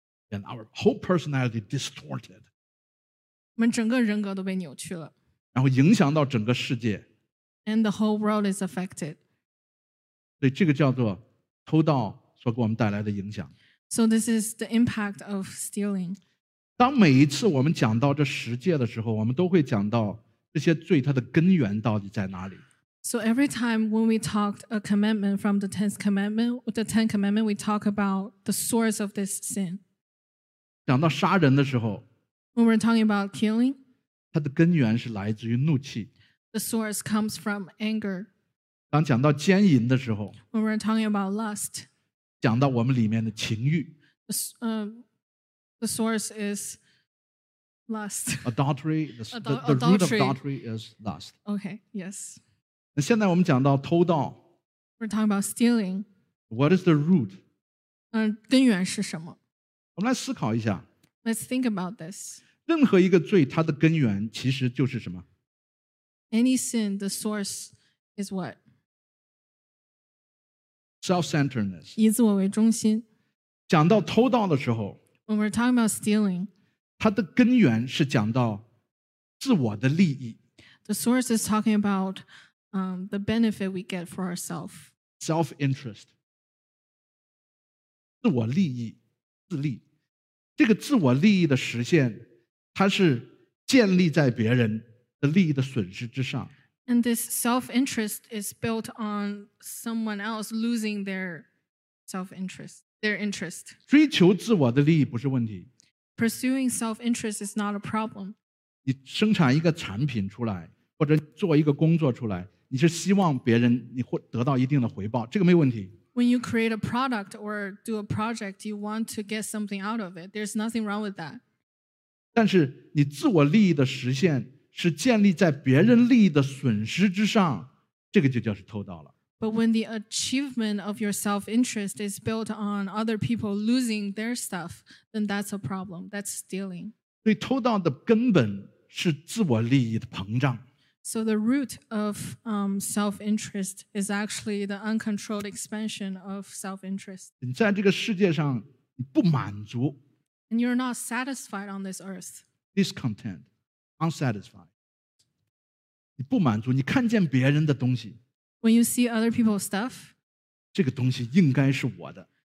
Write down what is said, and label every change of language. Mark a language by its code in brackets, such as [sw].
[en] And our whole personality distorted. [zh] 我们整个人格都被扭曲了。然后影响到整个世界。 [en] And the whole world is affected. [zh] 所以这个叫做偷盗所给我们带来的影响。 [en] So this is the impact of stealing. [zh] 当每一次我们讲到这十诫的时候，我们都会讲到这些罪它的根源到底在哪里。 [en] So every time when we talk a commandment from the Ten Commandments, the Ten Commandments, we talk about the source of this sin. [zh] 讲到杀人的时候, [en] when we're talking about killing, [zh] 它的根源是来自于怒气, [en] the source comes from anger. [zh] 当讲到奸淫的时候, [en] when we're talking about lust, [zh] 讲到我们里面的情欲, [en] the source is lust. Adultery, the root of adultery is lust. Okay, yes. [zh] 现在我们讲到偷盗。 [en] We're talking about stealing. What is the root? [zh] 根源是什么？我们来思考一下。 [en] Let's think about this. [zh] 任何一个罪，它的根源其实就是什么？ [en] Any sin, the source is what? Self-centeredness. [zh] 以自我为中心。讲到偷盗的时候。 [en] When we're talking about stealing. [zh] 它的根源是讲到自我的利益。 [en] The source is talking aboutthe benefit we get for ourselves. Self-interest. [zh] 自我利益，自利。这个自我利益的实现，它是建立在别人的利益的损失之上。 [en] And this self-interest is built on someone else losing their self-interest, their interest. [zh] 追求自我的利益不是问题。 [en] Pursuing self-interest is not a problem. [zh] 你生产一个产品出来，或者做一个工作出来，你是希望别人你会得到一定的回报，这个没问题。 [en] When you create a product or do a project, you want to get something out of it. There's nothing wrong with that. [zh] 但是你自我利益的实现是建立在别人利益的损失之上，这个就叫是偷盗了。 [en] But when the achievement of your self-interest is built on other people losing their stuff, then that's a problem. That's stealing. [zh] 所以偷盗的根本是自我利益的膨胀。 [en] So the root of self-interest is actually the uncontrolled expansion of self-interest. [zh] 你在这个世界上不满足。 [en] And you're not satisfied on this earth. Discontent, unsatisfied. [zh] 你不满足，你看见别人的东西。 [en] When you see other people's stuff. [zh] 这个东西应该是我的。